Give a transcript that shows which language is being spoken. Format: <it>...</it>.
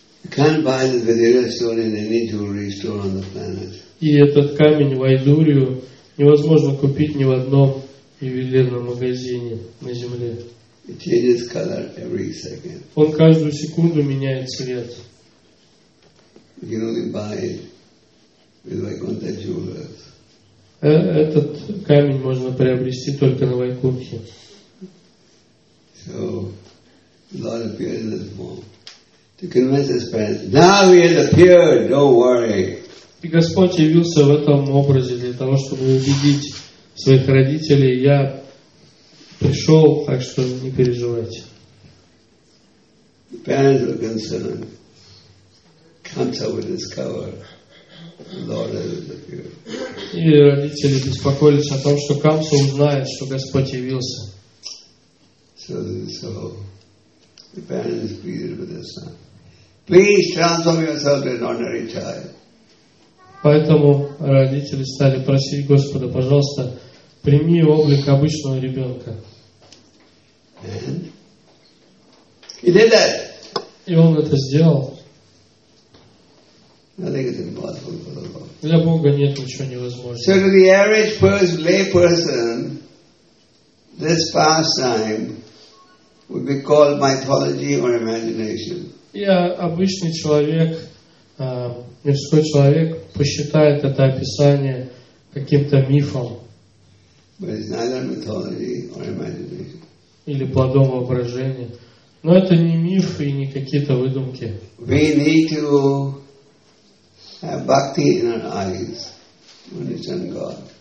<en>Can't buy the Vajra stone in any jewelry store on the planet.</en> <ru>И этот камень Вайдурию невозможно купить ни в одном ювелирном магазине на Земле.</ru> <en>It changes color every second.</en> <ru>Он каждую секунду меняет цвет.</ru> <en>You can only buy it with Vaikuntha jewelers.</en> <ru>Этот камень можно приобрести только на Вайкунтхе.</ru> <en>So, Lord appears in this form to convince his parents. Now he has appeared, don't worry.</en> <ru>И Господь явился в этом образе для того, чтобы убедить своих родителей. Я пришел, так что не переживайте.</ru> <en>The parents were concerned. Kansa will discover the Lord has appeared.</en> <ru>И родители беспокоились о том, что Камса узнает, что Господь явился.</ru> <en>So the parents pleaded with their son. Please transform yourself to an ordinary child.</en> <ru>Поэтому родители стали просить Господа, пожалуйста, прими облик обычного ребенка.</ru> <en>He did that.</en> <ru>И он это сделал.</ru> <en>Nothing is impossible for the Lord.</en> <ru>Для Бога нет ничего невозможного.</ru> <en>So to the average person, lay person, this pastime would be called mythology or imagination.</en> <ru>Я обычный человек. Мирской человек посчитает это описание каким-то мифом или плодом воображения. Но это не миф и не какие-то выдумки.</ru> <en>We need to have bhakti in our eyes to understand God.</en>